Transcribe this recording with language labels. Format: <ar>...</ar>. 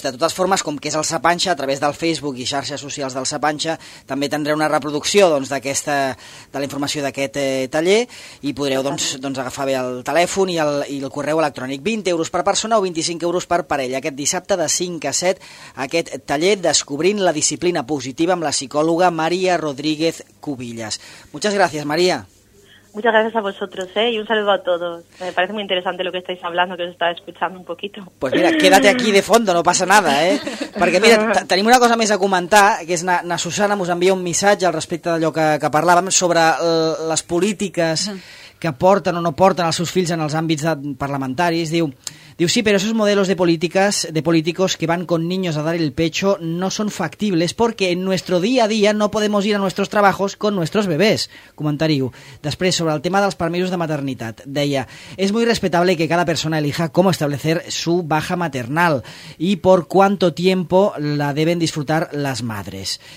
<ca>De totes formes, com que és el Sapanxa, a través del Facebook i xarxes socials del Sapanxa, també tindré una reproducció de la informació d'aquest taller, i podreu doncs agafar bé el telèfon i el correu electrònic. 20 euros per persona o 25 euros per parella. Aquest dissabte de 5 a 7, aquest taller Descobrint la disciplina positiva amb la psicòloga Maria Rodríguez Cubillas.</ca> <es>Muchas gracias, Maria. Muchas gracias a vosotros, ¿eh? Y un saludo a todos. Me parece muy interesante lo que estáis hablando, que os estaba escuchando un poquito. Pues mira, quédate aquí de fondo, no pasa nada, ¿eh?</es> <ca>Perquè mira, tenim una cosa més a comentar, que és na Susana mos envia un missatge al respecte d'allò que parlàvem sobre les polítiques que porten o no porten els seus fills en els àmbits parlamentaris.</ca> <es>Diu, sí, pero esos modelos de políticos que van con niños a dar el pecho no son factibles porque en nuestro día a día no podemos ir a nuestros trabajos con nuestros bebés, comentariu.</es> <ca>Després, sobre el tema dels permisos de maternitat, deia,</ca> <es>es muy respetable que cada persona elija cómo establecer su baja maternal y por cuánto tiempo la deben disfrutar las madres.</es>